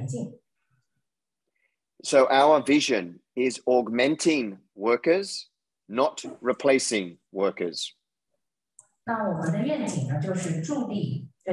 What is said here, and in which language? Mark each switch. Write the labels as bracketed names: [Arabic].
[Chinese] 那还有一个我们公司专注的领域呢，就是增强现实智能眼镜。 [English] So our vision is augmenting workers, not replacing workers. [Chinese] 那我们的愿景呢，就是助力